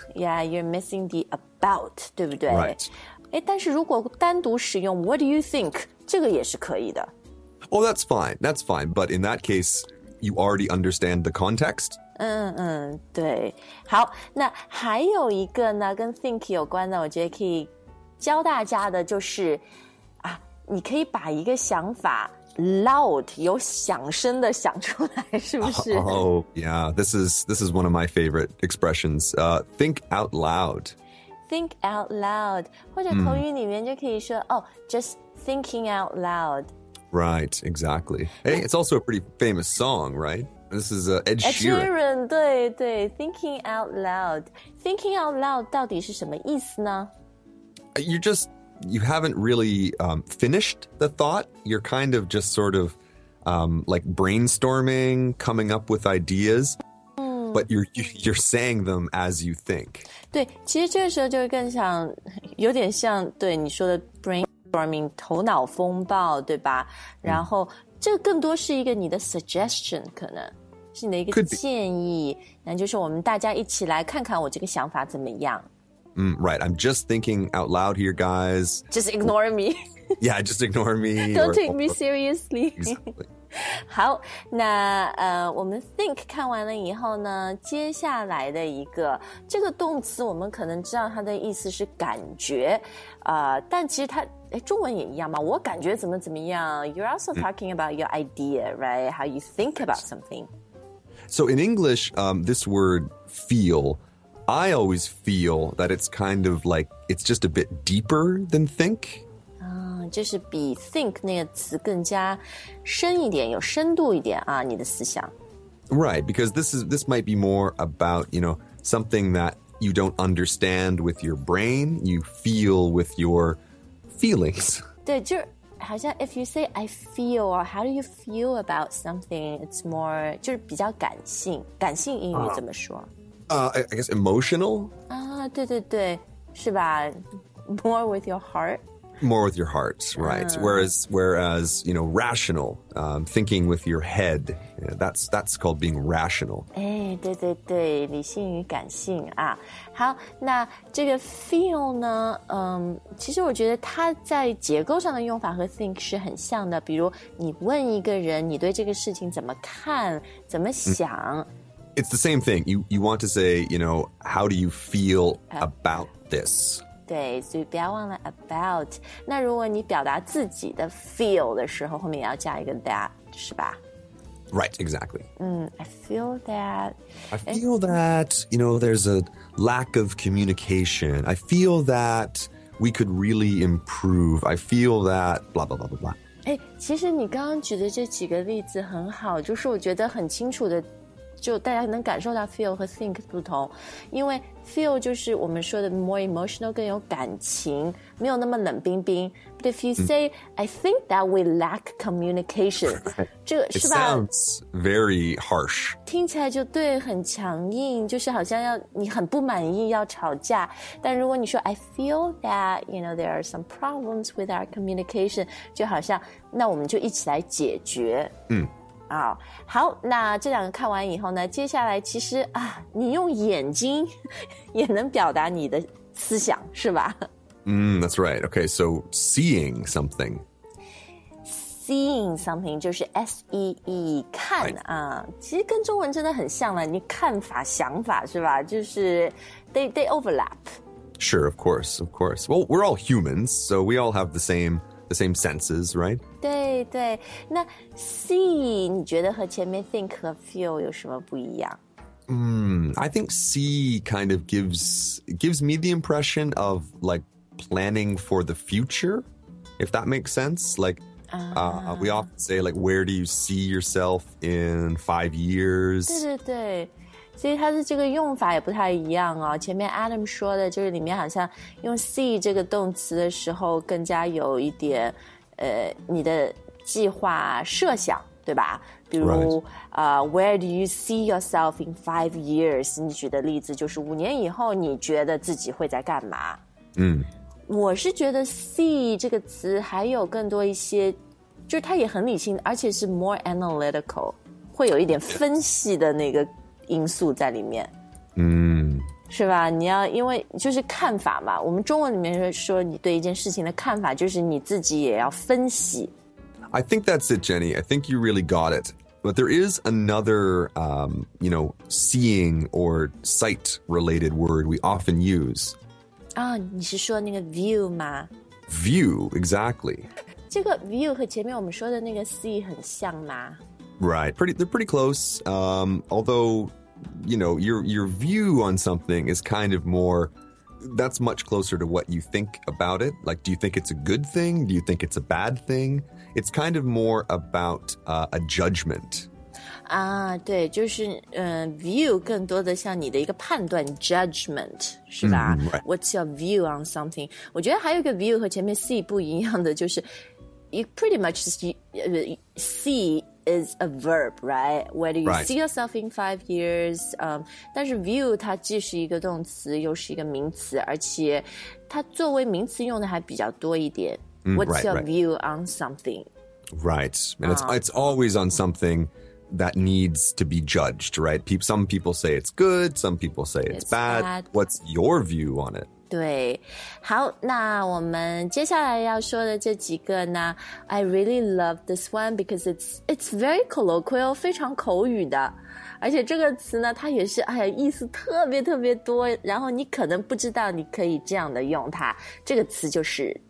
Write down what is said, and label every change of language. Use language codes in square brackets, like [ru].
[en] Yeah, you're missing the about, [zh] 对不对 [en] Right. [zh] 诶，但是如果单独使用 [en] what do you think, [zh] 这个也是可以的。 [en] Oh, that's fine, that's fine. But in that case, you already understand the context. [zh] 对。好，那还有一个呢，跟 think 有关的，我觉得可以教大家的就是，啊，你可以把一个想法Loud, 有响声的响出来，是不是？ [en] This is one of my favorite expressions. Think out loud. Think out loud. [zh] 或者口语里面就可以说， [en] just thinking out loud. Right, exactly. Hey, it's also a pretty famous song, right? This is Ed Sheeran. [zh] 对对 [en] thinking out loud. [zh] Thinking out loud 到底是什么意思呢？ [en] You haven't really finished the thought. You're kind of just sort of like brainstorming, coming up with ideas, but you're saying them as you think. [zh] 对，其实这个时候就是更像，有点像对你说的 brainstorming, 头脑风暴，对吧？然后这更多是一个你的 suggestion, 可能是你的一个建议，那就是我们大家一起来看看我这个想法怎么样。 [en] Right, I'm just thinking out loud here, guys. Just ignore me. Yeah, just ignore me. Don't take me seriously. Exactly. [zh] 好，那我们 think 看完了以后呢，接下来的一个这个动词，我们可能知道它的意思是感觉，但其实它中文也一样嘛。我感觉怎么怎么样。 [en] You're also talking about your idea, right? How you think about something. So in English, this word feel. I always feel that it's kind of like, it's just a bit deeper than think. [zh] 就是比 think 那个词更加深一点，有深度一点啊，你的思想。 [en] Right, because this might be more about, you know, something that you don't understand with your brain, you feel with your feelings. [zh] 对，就好像 [en] if you say I feel, or how do you feel about something, it's more, [zh] 就是比较感性，感性英语怎么说。 [en] I guess emotional? [zh] 对对对，是吧？ [en] More with your heart? More with your heart, right. Whereas, you know, rational, thinking with your head, you know, that's called being rational. [zh] 对对对，理性与感性啊。好，那这个 feel 呢，其实我觉得它在结构上的用法和 think 是很像的。比如你问一个人，你对这个事情怎么看，怎么想。 [en] It's the same thing. You want to say, you know, how do you feel about this? [zh] 对，所以不要忘了 about。那如果你表达自己的 feel 的时候，后面也要加一个 that， 是吧？ [en] Right, exactly. I feel that, you know, there's a lack of communication. I feel that we could really improve. I feel that blah, blah, blah, blah, blah. [zh] 哎，其实你刚刚举的这几个例子很好，就是我觉得很清楚的，就大家能感受到 feel 和 think 不同，因为 feel 就是我们说的 [en] more emotional， [zh] 更有感情，没有那么冷冰冰。 [en] But if you say,、I think that we lack communication, [zh] 这个是吧 [en] ？It sounds very harsh. [zh] 听起来就对，很强硬，就是好像要你很不满意，要吵架。但如果你说 [en] I feel that you know there are some problems with our communication， [zh] 就好像那我们就一起来解决。嗯。好，那这两个看完以后呢，接下来其实啊，你用眼睛也能表达你的思想，是吧？ [en] That's right. Okay, so seeing something. [zh] Seeing something 就是 S-E-E, 看、right. 啊，其实跟中文真的很像了，你看法、想法是吧？就是 [en] they overlap. Sure, of course, of course. Well, we're all humans, so we all have the same senses, right? [zh] 对对，那 see 你觉得和前面 think 和 feel 有什么不一样？ [en] I think see kind of gives me the impression of like planning for the future, if that makes sense. Like, we often say like, where do you see yourself in 5 years? [zh] 对对对。所以它的这个用法也不太一样哦。前面 Adam 说的就是里面好像用 see 这个动词的时候更加有一点你的计划设想，对吧？比如、 [en] right. Where do you see yourself in 5 years? [zh] 你举的例子就是5年以后你觉得自己会在干嘛。我是觉得 see 这个词还有更多一些，就是它也很理性，而且是 [en] more analytical， [zh] 会有一点分析的那个因素在里面。是吧，你要因为就是看法嘛，我们中文里面说你对一件事情的看法就是你自己也要分析。 [en] I think that's it, Jenny. I think you really got it. But there is another, you know, seeing or sight related word we often use. [zh] 啊，你是说那个 view 吗？ [en] View, exactly. [zh] 这个 view 和前面我们说的那个 see 很像吗？ [en] Right, they're pretty close. Although, you know, your view on something is kind of more, that's much closer to what you think about it. Like, do you think it's a good thing? Do you think it's a bad thing? It's kind of more about a judgment. [zh] 啊、对，就是view 更多的像你的一个判断 judgment 是吧、 [en] right. What's your view on something? [zh] 我觉得还有一个 view 和前面 see 不一样的就是 [en] you pretty much see. Is a verb, right? Where do you、 right. see yourself in 5 years? [zh] 但是 view 它既是一个动词，又是一个名词，而且它作为名词用的还比较多一点。 [en] What's right, your view on something? Right, and it's always on something that needs to be judged, right? Some people say it's good, some people say it's bad. What's your view on it? [zh] 对，好，那我们接下来要说的这几个呢 [en] I really love this one because it's very colloquial, [zh] 非常口语的，而且这个词呢它也是哎呀意思特别特别多，然后你可能不知道你可以这样的用它，这个词就是